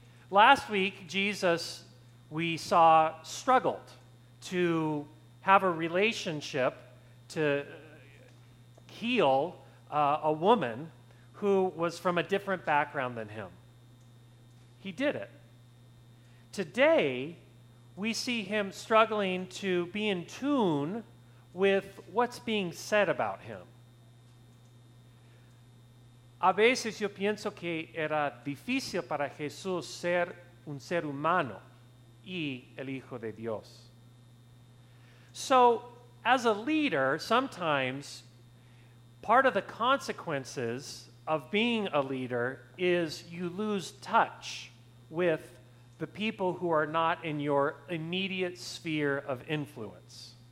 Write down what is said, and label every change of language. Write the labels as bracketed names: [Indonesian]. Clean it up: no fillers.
[English] Last week, Jesus, we saw, struggled to have a relationship, to heal a woman who was from a different background than him. He did it. Today, we see him struggling to be in tune with what's being said about him. [Spanish] A veces yo pienso que era difícil para Jesús ser un ser humano y el Hijo de Dios. [English] So, as a leader, sometimes part of the consequences of being a leader is you lose touch with the people who are not in your immediate sphere of influence.